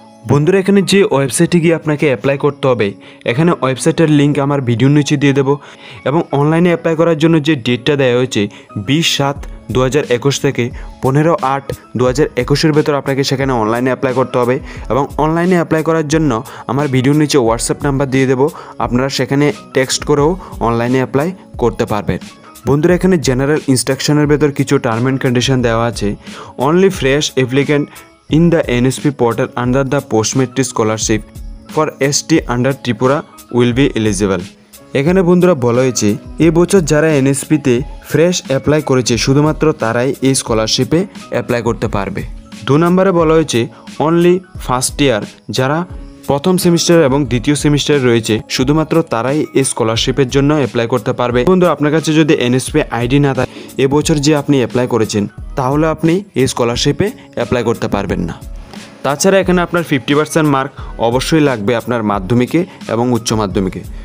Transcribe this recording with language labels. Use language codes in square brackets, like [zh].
[bn] বন্ধুরা, এখানে যে ওয়েবসাইটে গিয়ে আপনাকে অ্যাপ্লাই করতে হবে, এখানে ওয়েবসাইটের লিঙ্ক আমার ভিডিওর নিচে দিয়ে দেবো এবং অনলাইনে অ্যাপ্লাই করার জন্য যে ডেটটা দেওয়া হয়েছে 20/7/2021 থেকে 15/8/2021 ভেতর আপনাকে সেখানে অনলাইনে অ্যাপ্লাই করতে হবে এবং অনলাইনে অ্যাপ্লাই করার জন্য আমার ভিডিওর নিচে হোয়াটসঅ্যাপ নাম্বার দিয়ে দেবো, আপনারা সেখানে টেক্সট করেও অনলাইনে অ্যাপ্লাই করতে পারবেন। বন্ধুরা, এখানে জেনারেল ইনস্ট্রাকশনের ভেতর কিছু টার্ম অ্যান্ড কন্ডিশন দেওয়া আছে, [en] Only fresh applicant in the NSP portal under the post-matric scholarship for ST under Tripura will be eligible. [bn] এখানে বন্ধুরা বলা হয়েছে এবছর যারা NSP তে fresh apply করেছে শুধুমাত্র তারাই এই scholarship এ apply করতে পারবে। দু নম্বরে বলা হয়েছে [en] only first year [bn] যারা প্রথম সেমিস্টার এবং দ্বিতীয় সেমিস্টার রয়েছে শুধুমাত্র তারাই এই স্কলারশিপের জন্য अप्लाई করতে পারবে বন্ধু আপনার কাছে যদি NSP আইডি না থাকে এবছর যে আপনি अप्लाई করেছেন তাহলে আপনি এই স্কলারশিপে अप्लाई করতে পারবেন না তাছাড়া এখানে আপনার 50% মার্ক অবশ্যই লাগবে আপনার মাধ্যমিকে এবং উচ্চ মাধ্যমিকে